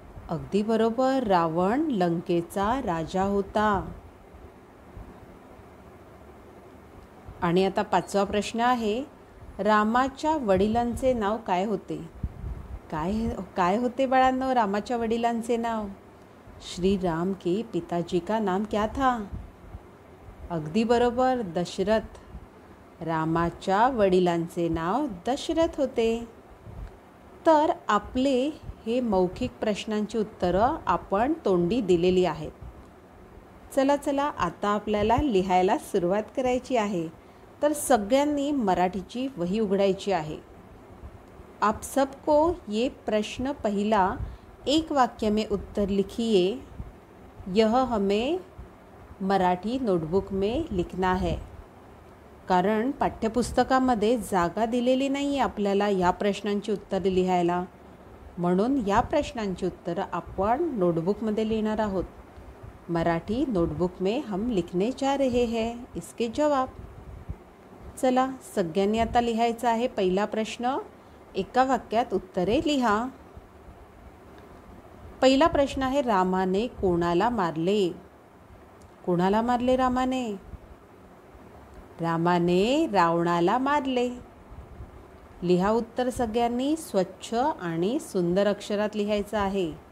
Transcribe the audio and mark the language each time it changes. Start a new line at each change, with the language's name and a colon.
Marathi: अगदी बरोबर, रावण लंकेचा राजा होता। आणि आता पाचवा प्रश्न आहे, रामाच्या वडिलांचे नाव काय होते? काय होते बाळांनो रामाच्या वडिलांचे नाव?
Hindi: श्री राम के पिताजी का नाम क्या था?
Marathi: अगदी बरोबर, दशरथ। रामाच्या वडिलांचे नाव दशरथ होते। तर आपले हे मौखिक प्रश्नांची उत्तरं आपण तोंडी दिलेली आहेत। चला चला, आता आपल्याला लिहायला सुरुवात करायची आहे। तर सगळ्यांनी मराठीची वही उघडायची आहे।
Hindi: आप सबको ये प्रश्न पहिला एक वाक्य में उत्तर लिखिए, यह हमें मराठी नोटबुक में लिखना है।
Marathi: कारण पाठ्यपुस्तकामध्ये जागा दिलेली नाही आहे आपल्याला या प्रश्नांची उत्तरं लिहायला, म्हणून या प्रश्नांची उत्तरं आपण नोटबुकमध्ये लिहिणार आहोत।
Hindi: मराठी नोटबुक में हम लिखने जा रहे हैं इसके जवाब।
Marathi: चला, सगळ्यांनी आता लिहायचं आहे पहिला प्रश्न, एका वाक्यात उत्तरे लिहा। पहिला प्रश्न आहे, रामाने कोणाला मारले? कोणाला मारले रामाने? रामाने रावणाला मारले। लिहा उत्तर सगळ्यांनी, स्वच्छ आणि सुंदर अक्षरात लिहायचं आहे।